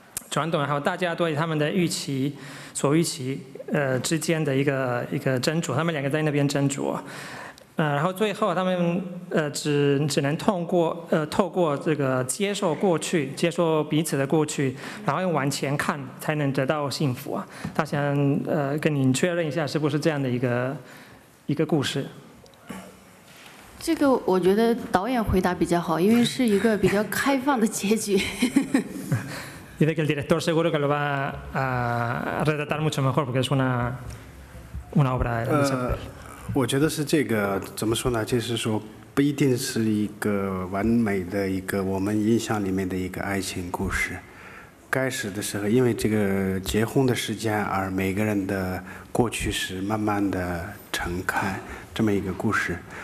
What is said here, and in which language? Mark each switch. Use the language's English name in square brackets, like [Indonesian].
[Chinese] 传统，还有大家对他们的预期、所预期之间的一个斟酌，他们两个在那边斟酌，然后最后他们只能透过这个接受过去，接受彼此的过去，然后往前看，才能得到幸福啊。他想跟您确认一下，是不是这样的一个故事？这个我觉得导演回答比较好，因为是一个比较开放的结局。 [Spanish] Dice que el director seguro que lo va a retratar mucho mejor porque es una obra de Chaplin. [Chinese] 我觉得是这个，怎么说呢？就是说不一定是一个完美的一个我们印象里面的一个爱情故事。开始的时候，因为这个结婚的时间而每个人的过去是慢慢的敞开，这么一个故事。